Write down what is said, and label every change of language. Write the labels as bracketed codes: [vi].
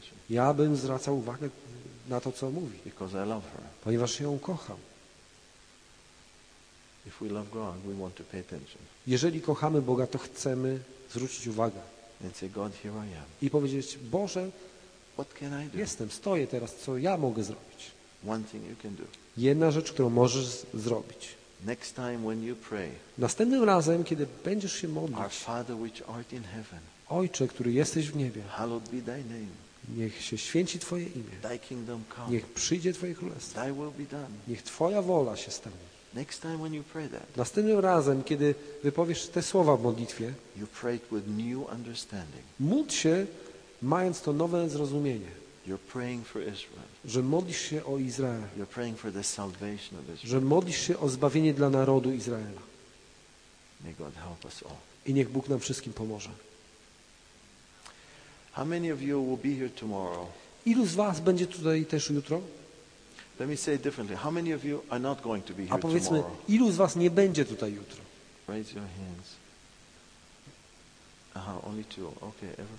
[pl] Ja bym zwracał uwagę na to, co mówi. [en] Because I love her. [pl] Ponieważ ją kocham. [en] If we love God, we want to pay attention. [pl] Jeżeli kochamy Boga, to chcemy zwrócić uwagę. [en] And say, God, here I am. [pl] I powiedzieć, Boże, [en] what can I do? [pl] Jestem, stoję teraz, co ja mogę zrobić? [en] One thing you can do. [pl] Jedna rzecz, którą możesz zrobić. [en] Next time when you pray, [pl] następnym razem, kiedy będziesz się modlić, [en] our Father, which art in heaven, [pl] Ojcze, który jesteś w niebie, [en] hallowed be thy name. [pl] Niech się święci Twoje imię. [en] Thy kingdom come. [pl] Niech przyjdzie Twoje królestwo. [en] Thy will be done. [pl] Niech Twoja wola się stanie. [en] Next time when you pray that, [pl] następnym razem, kiedy wypowiesz te słowa w modlitwie, [en] you pray it with new understanding. [pl] Módl się, mając to nowe zrozumienie, [en] you're praying for Israel. [pl] Że modlisz się o Izrael. [en] You're praying for the salvation of Israel. [pl] Że modlisz się o zbawienie dla narodu Izraela. [en] May God help us all. [pl] I niech Bóg nam wszystkim pomoże. [en] How many of you will be here tomorrow? [pl] Ilu z was będzie tutaj też jutro? [en] Let me say it differently. How many of you are not going to be here? [pl] A powiedzmy, [en] tomorrow? [pl] Ilu z was nie będzie tutaj jutro? [en] Raise your hands. Aha, only two. Okay, everybody.